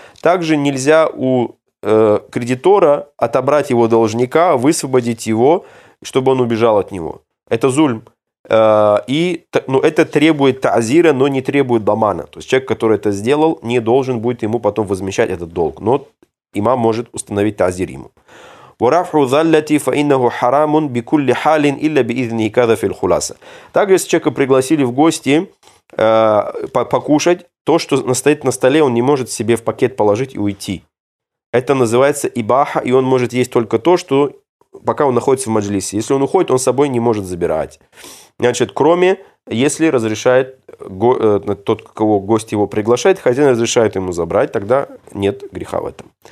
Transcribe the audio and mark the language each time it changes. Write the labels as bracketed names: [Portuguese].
[Russian] Также нельзя у кредитора отобрать его должника, высвободить его, чтобы он убежал от него. Это зульм. И, ну, это требует та'зира, но не требует дамана. То есть человек, который это сделал, не должен будет ему потом возмещать этот долг. Но имам может установить та'зир ему. [Arabic] ورفعوا ذلتي فإنه حرام بكل حال إلا بإذنه كذا في الخلاصة. [Russian] Также если человека пригласили в гости покушать, то, что стоит на столе, он не может себе в пакет положить и уйти. Это называется ибаха, и он может есть только то, что пока он находится в маджлисе. Если он уходит, он с собой не может забирать. Значит, кроме если разрешает тот, кого гость его приглашает, хозяин разрешает ему забрать, тогда нет греха в этом.